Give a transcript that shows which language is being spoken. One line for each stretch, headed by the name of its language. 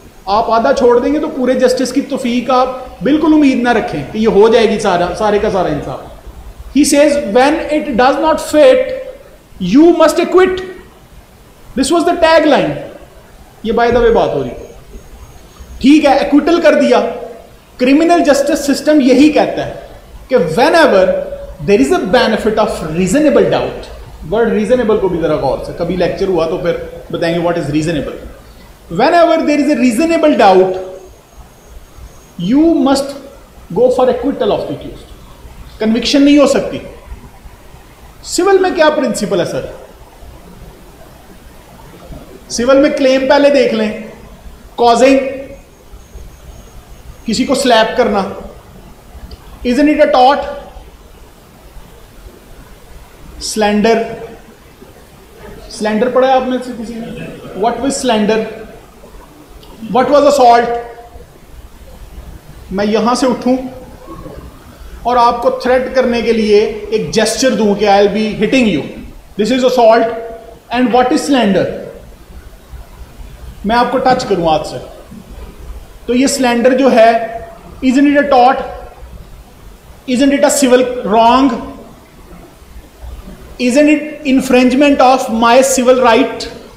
Hindi: आप आधा छोड़ देंगे तो पूरे जस्टिस की तौफीक आप बिल्कुल उम्मीद ना रखें कि ये हो जाएगी सारा सारे का सारा इंसाफ.
English: He says when it does not fit you must acquit. This was the tagline.
Hindi: ये
English: by the way
Hindi: बात हो रही, ठीक है, acquittal कर दिया.
English: Criminal justice system
Hindi: यही कहता है कि
English: whenever there is a benefit of reasonable doubt, word reasonable
Hindi: को भी जरा गौर से,
English: कभी lecture
Hindi: हुआ तो फिर बताएंगे
English: what is reasonable. Whenever there is a reasonable doubt, you must go for acquittal of the accused.
Hindi: Conviction नहीं हो सकती. Civil में क्या principle है सर? सिविल में क्लेम पहले देख लें. कॉजिंग, किसी को स्लैप करना,
English: Isn't it a taught.
Hindi: Slander, slander पढ़ा है आप में से किसी ने?
English: What was slander, what was assault.
Hindi: मैं यहां से उठूं और आपको थ्रेट करने के लिए एक जेस्चर दूं कि
English: I will be hitting you, this is assault. And what is slander,
Hindi: मैं आपको टच करूं आज से. तो ये स्लैंडर जो है,
English: Isn't it a taught, isn't it a civil wrong, isn't it infringement of my civil right?